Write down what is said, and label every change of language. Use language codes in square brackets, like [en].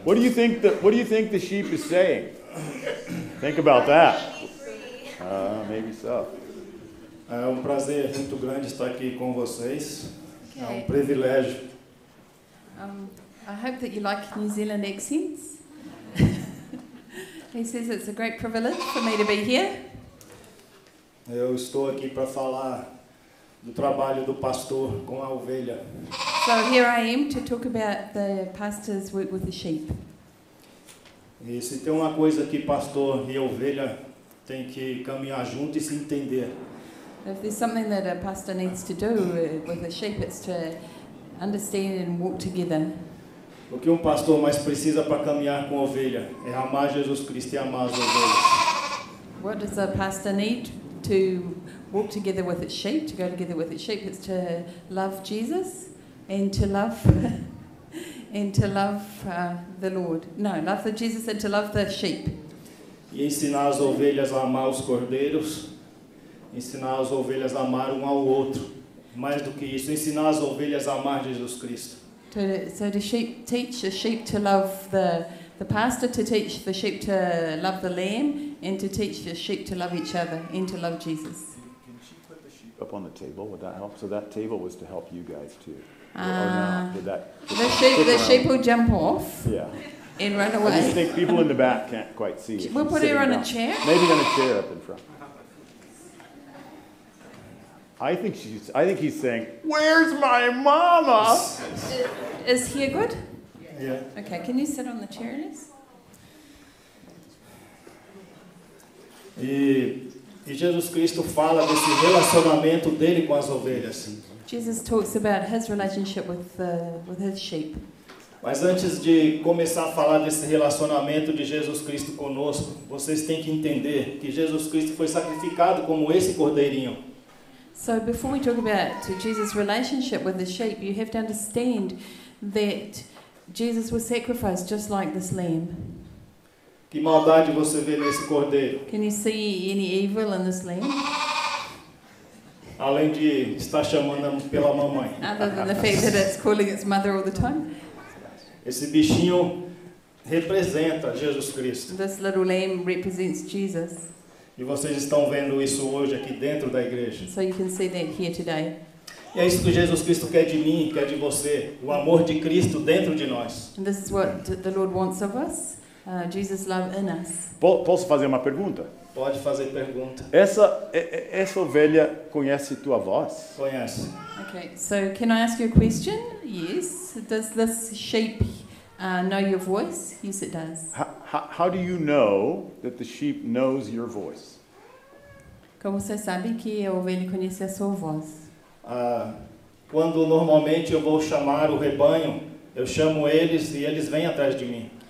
[en] What do you think the sheep is saying? Think about that. Maybe so. [pt] É um prazer muito grande estar aqui com vocês. Okay. É um privilégio. [en] I hope that you like New Zealand accents. He says it's a great privilege for me to be here. [pt] Eu estou aqui para falar do trabalho do pastor com a ovelha. [en] So here I am to talk about the pastor's work with the sheep. [pt] E se tem uma coisa que pastor e ovelha tem que caminhar junto e se entender. [en] If there's something that a pastor needs to do with the sheep, it's to understand and walk together. [pt] O que pastor mais precisa para caminhar com ovelha é amar Jesus Cristo e amar as ovelhas. [en] What does a pastor need to walk together with its sheep, to go together with its sheep? It's to love Jesus and to love the Lord. No, love the Jesus and to love the sheep. [pt] E ensinar as ovelhas a amar os cordeiros, ensinar as ovelhas a amar um ao outro. Mais do que isso, ensinar as ovelhas a amar Jesus Cristo. [en] So to sheep, teach a sheep to love the pastor, to teach the sheep to love the lamb, and to teach the sheep to love each other, and to love Jesus. Can she put the sheep up on the table? Would that help? So that table was to help you guys too. The sheep will jump off. Yeah. And run away. I just think people in the back can't quite see. We'll put her on a chair. Maybe on a chair up in front. I think he's saying, "Where's my mama?" Is he a good? Yeah. Okay. Can you sit on the chair, Liz? [pt] E Jesus Cristo fala desse relacionamento dele com as ovelhas. [en] Jesus talks about his relationship with his sheep. [pt] Mas antes de começar a falar desse relacionamento de Jesus Cristo conosco, vocês têm que entender que Jesus Cristo foi sacrificado como esse cordeirinho. [en] So before we talk about Jesus' relationship with the sheep, you have to understand that Jesus was sacrificed just like this lamb. [pt] Que maldade você vê nesse cordeiro? [en] Can you see any evil in this lamb? [pt] Além de estar chamando pela mamãe. [en] Other than the fact that it's calling its mother all the time. [pt] Esse bichinho representa Jesus Cristo. [en] This little lamb represents Jesus. [pt] E vocês estão vendo isso hoje aqui dentro da igreja. [en] So you can see that here today. [pt] E é isso que Jesus Cristo quer de mim, quer de você, o amor de Cristo dentro de nós. [en] And this is what the Lord wants of us, Jesus' love in us. [pt] Posso fazer uma pergunta? Pode fazer pergunta. Essa ovelha conhece tua voz? Conhece. [en] Okay, so can I ask you a question? Yes. Does this sheep know your voice? Yes, it does. How do you know that the sheep knows your voice? [pt] Como você sabe que a ovelha conhece a sua voz? Quando normalmente eu vou chamar o rebanho, eu chamo eles e eles vêm atrás de mim.